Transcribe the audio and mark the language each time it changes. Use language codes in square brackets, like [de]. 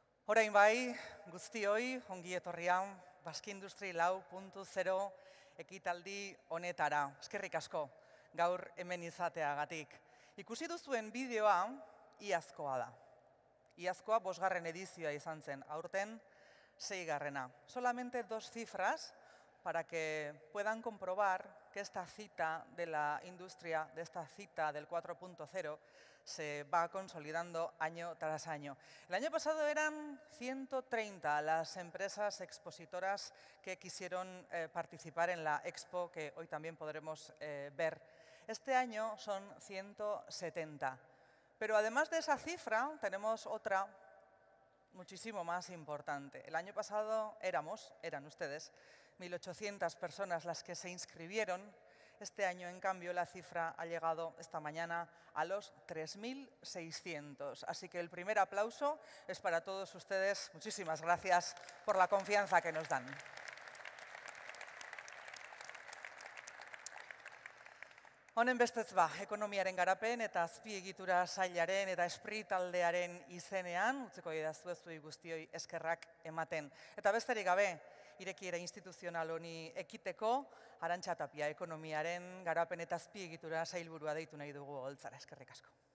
[eu] Orain bai, guztioi, ongi etorria, Basque Industry 4.0 ekitaldi honetara. Eskerrik asko, gaur hemen izateagatik. Ikusi duzuen bideoa, iazkoa da. Iazkoa bosgarren edizioa izan zen, aurten seigarrena. [es] Solamente dos cifras para que puedan comprobar que esta cita de la industria, de esta cita del 4.0, se va consolidando año tras año. El año pasado eran 130 las empresas expositoras que quisieron participar en la expo, que hoy también podremos ver. Este año son 170. Pero además de esa cifra, tenemos otra muchísimo más importante. El año pasado eran ustedes, 1.800 personas las que se inscribieron. Este año, en cambio, la cifra ha llegado esta mañana a los 3.600. Así que el primer aplauso es para todos ustedes. Muchísimas gracias por la confianza que nos dan. [eu] Honen bestez ba, ekonomiaren garapen eta azpiegitura sailaren eta Espri taldearen izenean, utziko didazu zuei guztioi eskerrak ematen. Eta besterik gabe, irekiera instituzional honi ekiteko, Arantxa Tapia ekonomiaren garapen eta azpiegitura sailburua deitu nahi dugu oholtzara, eskerrik asko.